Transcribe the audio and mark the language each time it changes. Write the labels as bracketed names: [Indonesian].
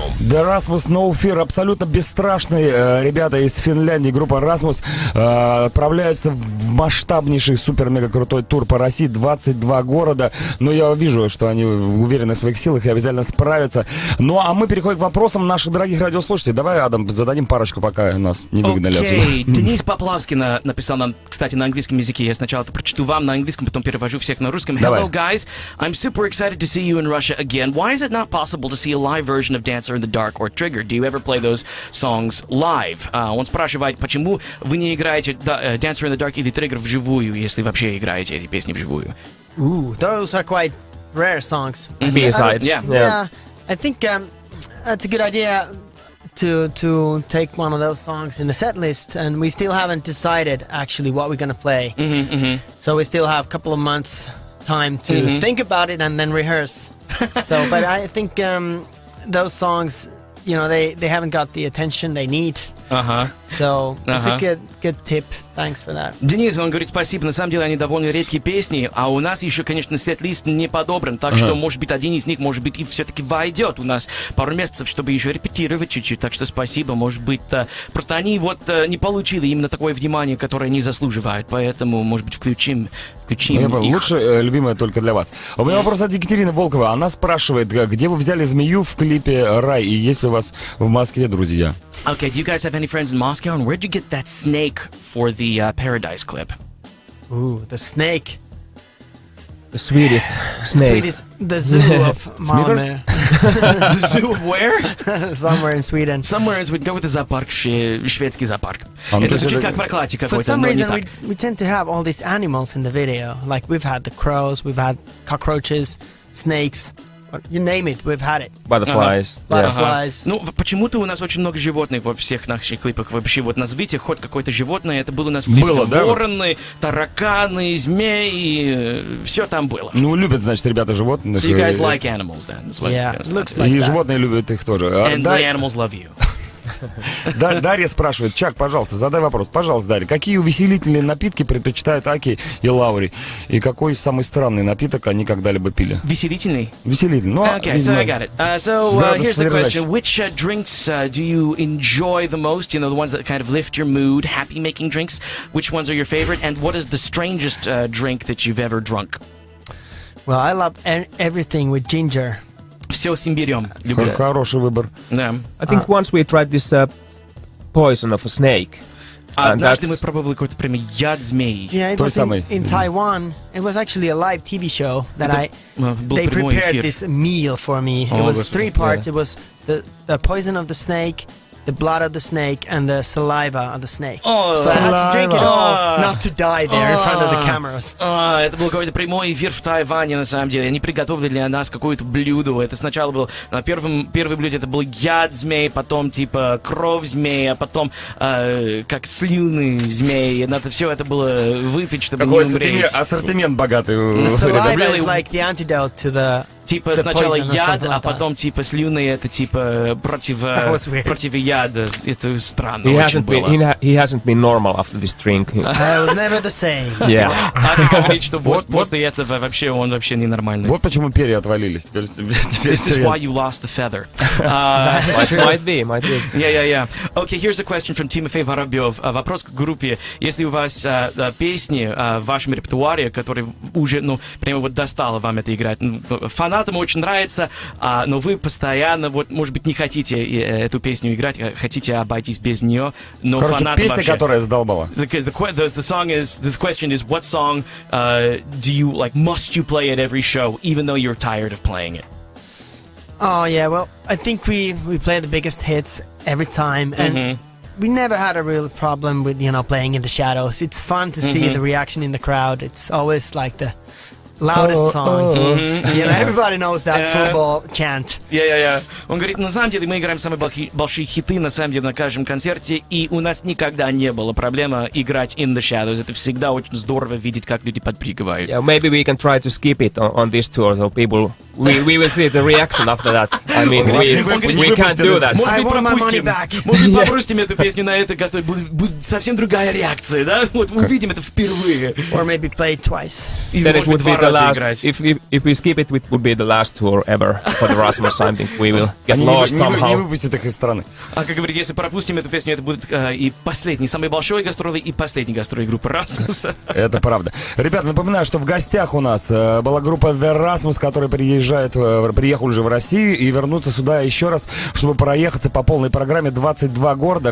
[Russian] The Rasmus No Fear, абсолютно бесстрашные ребята из Финляндии, группа Rasmus, отправляются в масштабнейший супер-мега-крутой тур по России, 22 города, но я вижу, что они уверены в своих силах и обязательно справятся. Ну, а мы переходим к вопросам наших дорогих радиослушателей. Давай, Адам, зададим парочку, пока нас не выгнали отсюда. Окей, Денис Поплавский написал нам, кстати, на английском языке. Я сначала это прочту вам на английском, потом перевожу всех на русском. Давай. [English] Hello, guys, I'm super excited to see you in Russia again. Why is it not possible to see a live version of Dancer in the Dark or Trigger. Do you ever play those songs live? [Russian] Он спрашивает, почему вы не играете Dancer in the Dark или Trigger вживую, если вообще играете эти песни вживую? [English] Ooh, those are quite rare songs. B-sides. Yeah. I think that's a good idea to take one of those songs in the set list, and we still haven't decided actually what we're gonna play. So we still have a couple of months time to think about it and then rehearse. So, but I think... those songs, you know, they haven't got the attention they need. So it's a good tip. Thanks for that. [Russian] Денис, он говорит, спасибо. На самом деле, они довольно редкие песни, а у нас еще, конечно, сет-лист не подобран, так что, может быть, один из них, может быть, и все-таки войдет у нас пару месяцев, чтобы еще репетировать чуть-чуть. Так что спасибо. Может быть, просто они вот не получили именно такое внимание, которое они заслуживают. Поэтому, может быть, включим их. Лучше, любимая, только для вас. У меня вопрос от Екатерины Волковой. Она спрашивает, где вы взяли змею в клипе «Рай» и есть ли у вас в Москве друзья? [English] Okay, do you guys have any friends in Moscow? And where did you get that snake for the Paradise clip? Ooh, the snake. The Swedish snake. Swedish, the zoo of Malmö. The zoo of where? Somewhere in Sweden. Somewhere in Sweden. Go with the zoopark, [Russian] Шведский зоопарк. Это звучит как прокладе какой-то. [English] For some reason, we tend to have all these animals in the video. Like, we've had the crows, we've had cockroaches, snakes. You name it, we've had it. Butterflies. Butterflies. [Russian] Ну, почему-то у нас очень много животных во всех наших клипах вообще. Вот назовите хоть какое-то животное, это было у нас в клипе. Вороны, тараканы, змеи, все там было. Ну, любят, значит, ребята животных. [English] So you guys like animals then? Yeah, looks like that. [Russian] И животные любят их тоже. [English] And the animals love you. [Russian] Дарья спрашивает, Чак, пожалуйста, задай вопрос. Пожалуйста, Дарья, какие увеселительные напитки предпочитают Аки и Лаури? И какой самый странный напиток они когда-либо пили? Веселительный? Веселительный. Ну, [English] okay, so I got it. So here's the question. Which drinks do you enjoy the most? You know, the ones that kind of lift your mood, happy-making drinks. Which ones are your favorite? And what is the strangest drink that you've ever drunk? Well, I love everything with ginger. [Russian] Все с имбирем. Хороший выбор. [English] Yeah. I think once we tried this poison of a snake. [Russian] Однажды мы пробовали какой-то прям яд змеи. [English] Yeah, it was in Taiwan. It was actually a live TV show that I they prepared this meal for me. It was three parts. It was the poison of the snake, the blood of the snake, and the saliva of the snake. So I had to drink it all, not to die there in front of the cameras. [Russian] Это был какой-то прямой эфир в Тайване, на самом деле. Они приготовили для нас какое-то блюдо. Это сначала был на первом блюде это был яд змей, потом типа кровь змей, а потом как слюны змей. Надо все это было выпить, чтобы не умереть. Какой ассортимент богатый. [English] Saliva is like the antidote to the... [Russian] Типа сначала яд, а потом типа слюны, это типа против яда. Это странно очень было. [English] He hasn't been normal after this drink. I was never the same. Yeah. [Russian] После этого вообще он вообще ненормальный. Вот почему перья отвалились. [English] This is why you lost the feather. Might be. Yeah. Okay, here's a question from Тимофей Воробьев. [Russian] Вопрос к группе. Если у вас песни в вашем репертуаре, которые уже, ну, прямо вот достало вам это играть, фан Фанатам очень нравится, но вы постоянно, вот, может быть, не хотите эту песню играть, хотите обойтись без нее, но короче, фанатам песня, вообще... которая задолбала. [English] The song is, this question is, what song do you, like, must you play at every show, even though you're tired of playing it? Oh, yeah, well, I think we play the biggest hits every time, and we never had a real problem with, you know, playing in the shadows. It's fun to see the reaction in the crowd. It's always like the... Loudest song. You know, everybody knows that football chant. [Russian] Он говорит, на самом деле мы играем самые большие хиты, на самом деле, на каждом концерте, и у нас никогда не было проблемы играть In The Shadows. Это всегда очень здорово видеть, как люди подпрыгивают. [English] Yeah, maybe we can try to skip it on this tour, so people... We will see the reaction after that. I mean, we can't do that. [Russian] Может, мы пропустим. Может, мы пропустим эту песню на этой гастроли. Будет совсем другая реакция, да? Вот увидим это впервые. [English] Or maybe play it twice. Then it would be the last. If we skip it, it would be the last tour ever for the Rasmus. I think we will get lost somehow. [Russian] Не выпустят их из страны. А как говорит, если пропустим эту песню, это будет и последний, самый большой гастроли и последний гастроли группы Rasmus. Это правда. Ребята, напоминаю, что в гостях у нас была группа The Rasmus, которая приехали уже в Россию и вернуться сюда еще раз, чтобы проехаться по полной программе 22 города.